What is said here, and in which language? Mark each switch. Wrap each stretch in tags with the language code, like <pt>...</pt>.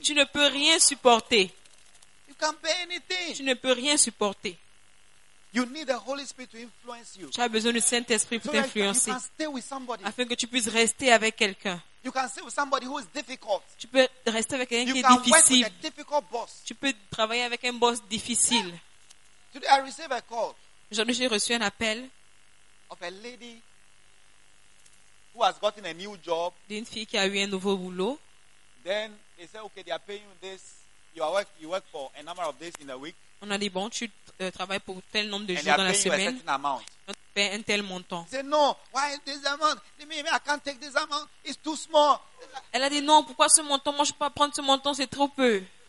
<fr>Tu ne peux rien supporter.</fr> <en>You can't pay anything.</en> <fr>Tu ne peux rien supporter.</fr> <en>You need the Holy Spirit to influence you.</en> <fr>Tu as besoin du Saint-Esprit pour</fr> <en>so</en> <fr>t'influencer.</fr> <en>You can stay with somebody.</en> <fr>Afin que tu puisses rester avec quelqu'un.</fr> <en>You can stay with somebody who is difficult.</en> <fr>Tu peux rester avec quelqu'un</fr> <en>you</en> <fr>qui</fr> <en>can</en> <fr>est difficile.</fr> <en>Work with a difficult boss.</en> <fr>Tu peux travailler avec un boss difficile.</fr> <en>Yeah. Today I received a call.</en> <fr>Aujourd'hui, j'ai reçu un appel</fr> <en>of a lady who has gotten a new job.</en> <fr>D'une fille qui a eu un nouveau boulot.</fr> <en>Then they say, okay, they are paying you this. You work for a number of days in a week.</en> <fr>On a dit, bon, tu travailles pour tel nombre de jours dans la semaine. On te paie un tel montant. Elle a dit, non, pourquoi ce montant? Moi, je ne peux pas prendre ce montant, c'est trop peu.</fr>